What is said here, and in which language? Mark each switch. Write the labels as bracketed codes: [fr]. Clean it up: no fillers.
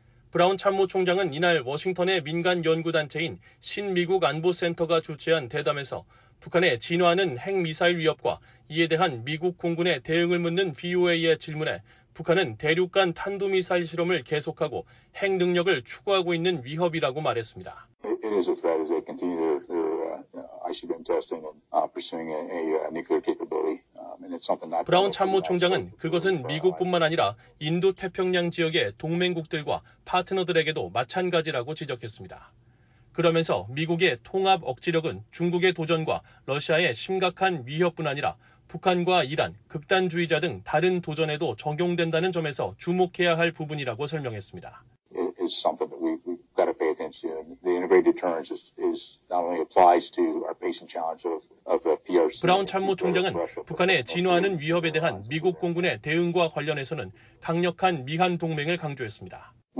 [ko] 브라운 참모총장은 이날 워싱턴의 민간 연구단체인 신미국 안보센터가 주최한 대담에서 북한의 진화하는 핵미사일 위협과 이에 대한 미국 공군의 대응을 묻는 VOA의 질문에 북한은 대륙간 탄도미사일 실험을 계속하고 핵 능력을 추구하고 있는 위협이라고 말했습니다. [en] It is a threat as they continue their ICBM testing and pursuing a nuclear capability. [ko] 브라운 참모총장은 그것은 미국뿐만 아니라 인도태평양 지역의 동맹국들과 파트너들에게도 마찬가지라고 지적했습니다. 그러면서 미국의 통합 억지력은 중국의 도전과 러시아의 심각한 위협뿐 아니라 북한과 이란, 극단주의자 등 다른 도전에도 적용된다는 점에서 주목해야 할 부분이라고 설명했습니다. [en] It's something that we've got to pay attention to. The integrated deterrence is not only applies to our basic challenge of [ko] 브라운 참모총장은 북한의 진화하는 위협에 대한 미국 공군의 대응과 관련해서는 강력한 미한 동맹을 강조했습니다.